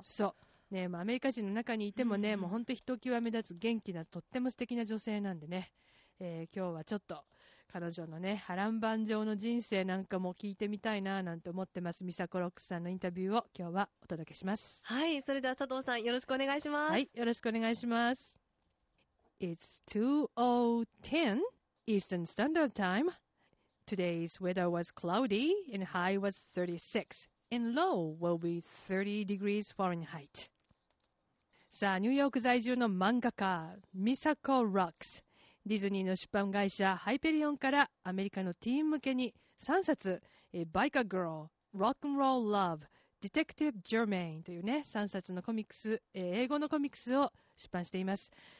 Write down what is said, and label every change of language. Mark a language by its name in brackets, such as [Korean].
[Japanese] そうね、もうアメリカ人の中にいてもね、うん、もう本当ひときわ目立つ元気なとっても素敵な女性なんでね、今日はちょっと彼女のね、波乱万丈の人生なんかも聞いてみたいななんて思ってます。ミサコロックスさんのインタビューを今日はお届けします。はい、それでは佐藤さん、よろしくお願いします。はい、よろしくお願いします。 [English] It's 2:10 Eastern Standard Time. Today's weather was cloudy and high was 36 and low will be 30 degrees Fahrenheit. [Japanese] さあ、ニューヨーク在住の漫画家、ミサコ・ロックス。ディズニーの出版会社、ハイペリオンからアメリカのティーン向けに3冊、バイカー・グロー、ロックンロール・ラブ、ディテクティブ・ジェルメインというね、3冊のコミックス、英語のコミックスを出版しています。